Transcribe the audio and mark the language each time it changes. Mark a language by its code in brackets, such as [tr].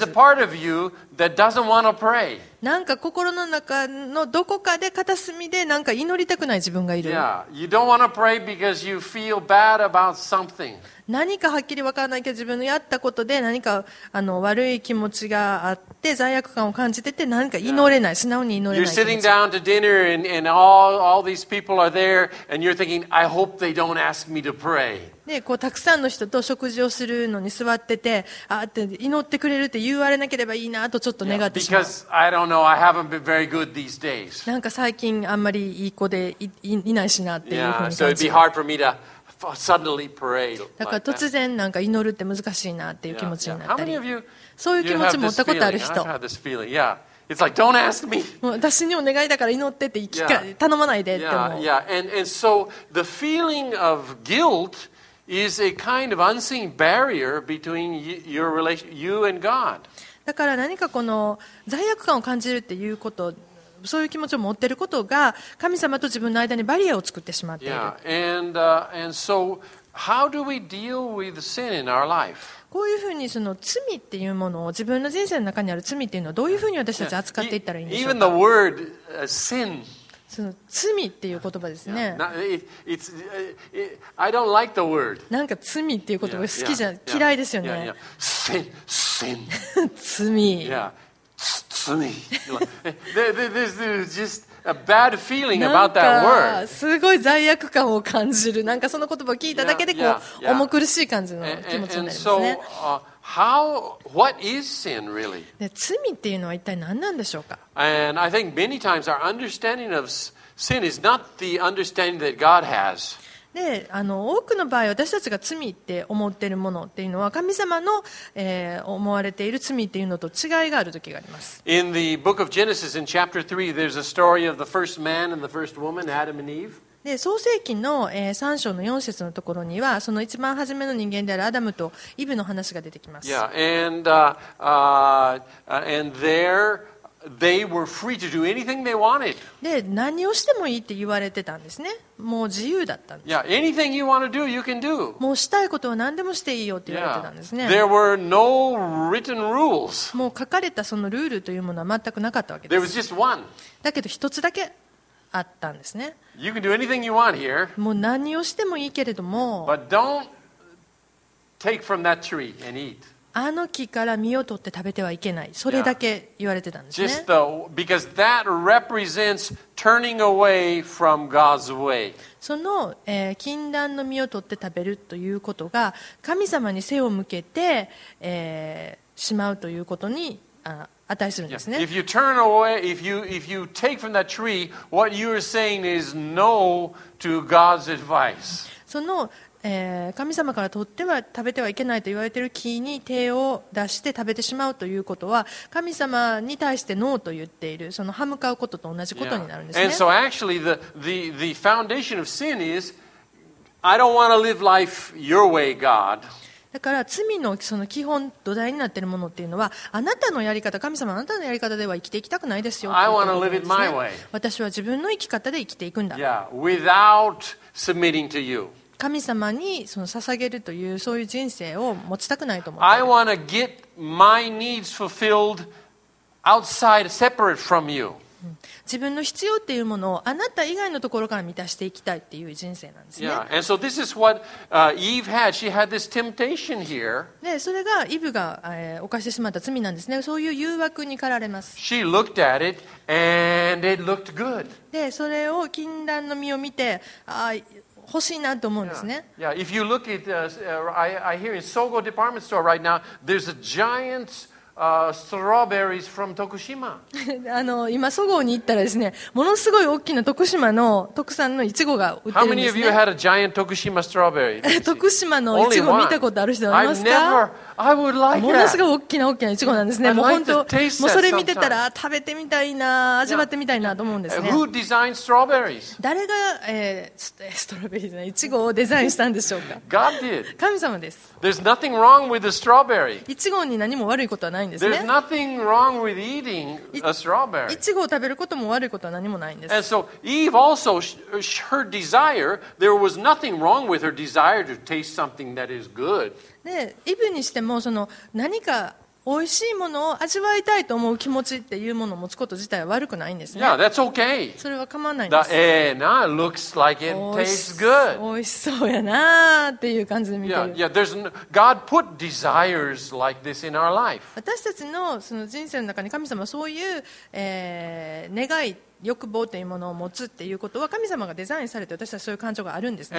[en] There's a part of you that doesn't want to pray. [ja] なんか心の中のどこかで片隅でなんか祈りたくない自分がいる。 [en] Yeah, you don't want to pray because you feel bad about something. [ja] 何かはっきり分からないけど自分のやったことで何かあの悪い気持ちがあって罪悪感を感じてて何か祈れない、素直に祈れない。 [en] You're sitting down to dinner and all these people are there and you're thinking, I hope they don't ask me to pray. [ja] でこうたくさんの人と食事をするのに座ってて、あって祈ってくれるって言われなければいいなとちょっと願ってしまう。 [en] Yeah, because I don't know, I haven't been very good these days. [ja] なんか最近あんまりいい子で いないしなっていうふうに感じる。 [en] Yeah, so it'd be hard for me to. Suddenly pray like、 [ja] だから突然なんか祈るって難しいなっていう気持ちになったり、 [en] yeah, yeah. You, [ja] そういう気持ち持ったことある人、 [en] yeah. like, don't ask me. [ja] もう私にお願いだから祈ってって頼まないでって思う。 [en] yeah, yeah. And so the feeling of guilt is a kind of unseen barrier between your relationship, you and God. [ja] だから何かこの罪悪感を感じるっていうこと、そういう気持ちを持っていることが神様と自分の間にバリアを作ってしまっている。 [en] yeah, and, and so how do we deal with sin in our life? [ja] こういうふうにその罪っていうものを、自分の人生の中にある罪っていうのをどういうふうに私たち扱っていったらいいんでしょうか。 [en] Even the word sin、 [ja] その罪っていう言葉ですね。 [en] yeah, it's, I don't like the word. [ja] なんか罪っていう言葉好きじゃん、 [en] yeah, yeah, [ja] 嫌いですよね。 [en] yeah, yeah. Sin, sin. [ja] 罪、 yeah. 罪。 [en] This is just a bad feeling about that word. [ja] すごい罪悪感を感じる。なんかその言葉を聞いただけでこう重苦しい感じの気持ちになりますね。 [en] How, what is sin really? [ja] 罪っていうのは一体何なんでしょうか。 [en] And I think many times our understanding of sin is not the understanding that God has. [ja] で、あの多くの場合私たちが罪って思っているものっていうのは神様の、思われている罪っていうのと違いがある時があります。 [en] In the book of Genesis in chapter 3 there's a story of the first man and the first woman, Adam and Eve. [ja] で、創世記の、3章の4節のところにはその一番初めの人間であるアダムとイブの話が出てきます。 [en] Yeah, and, and thereThey were free to do anything they wanted. [ja] で、何をしてもいいって言われてたんですね。もう自由だったんです。 [en] Yeah, anything you want to do, you can do. [ja] もうしたいことは何でもしていいよって言われてたんですね。 [en] Yeah. There were no written rules. [ja] もう書かれたそのルールというものは全くなかったわけです。 [en] There was just one. [ja] だけど一つだけあったんですね。 [en] You can do anything you want here. [ja] もう何をしてもいいけれども、 [en] But don't take from that tree and eat. [ja] あの木から実を取って食べてはいけない、それだけ言われてたんですね。 [en] Just though, because that represents turning away from God's way. [ja] その、禁断の実を取って食べるということが神様に背を向けて、しまうということに値するんですね。 [en] If you turn away, if you take from that tree, what you are saying is no to God's advice. [ja] その神様から取っては食べてはいけないと言われている木に手を出して食べてしまうということは神様に対してノーと言っている、その歯向かうことと同じことになるんですね。 [en] And so actually the foundation of sin is I don't want to live life your way, God. [ja] だから罪のその基本土台になっているものっていうのはあなたのやり方、神様あなたのやり方では生きていきたくないですよ。 [en] I want to live it my way. [ja] 私は自分の生き方で生きていくんだ。 [en] Yeah, without submitting to you. [ja] 神様にその捧げるというそういう人生を持ちたくないと思 [en] う。 I want to get my needs fulfilled outside, separate from you. [ja] 自分の必要っていうものをあなた以外のところから満たしていきたいっていう人生なんですね。 [en] Yeah, and so this is what Eve had. She had this temptation here. [ja] で、それがイブが、犯してしまった罪なんですね。そういう誘惑に駆られます。 [en] She looked at it and it looked good. [ja] で、それを禁断の実を見て、欲しいなと思うんですね。 [en] yeah, yeah. If you look at I hear in Sogo department store right now there's a giant strawberries from Tokushima. [ja] あの今ソゴに行ったらですね、ものすごい大きな徳島の特産のいちごが売ってるんですね。 [en] How many of you had a giant Tokushima strawberry? [ja] 徳島のいちご見たことある人はいますか？ [en] I've never I would like [ja] that. ものすごい大きな大きないちごなんですね。もう本当、もうそれ見てたら食べてみたいな、味わってみたいなと思うんですね。 [en] Who designed strawberries? [ja] 誰が、ストロベリーじゃない、いちごをデザインしたんでしょうか。 [en] God did. [ja] 神様です。 [en] There's nothing wrong with the strawberry. [ja] いちごに何も悪いことはないんですね。 [en] There's nothing wrong with eating a strawberry. [ja] いちごを食べることも悪いことは何もないんです。 [en] And so Eve also her desire, there was nothing wrong with her desire to taste something that is good. [ja] でイブにしてもその何か美味しいものを味わいたいと思う気持ちっていうものを持つこと自体は悪くないんですね。 [en] Yeah, that's okay. [ja] それは構わないんです。 [en] The, now it looks like it tastes good. [ja] 美味しそうやなっていう感じで見ている。 [en] Yeah, yeah. There's God put desires like this in our life. [ja] 私たちのその人生の中に神様はそういう、願い欲望というものを持つっていうことは神様がデザインされて私たちはそういう感情があるんですね。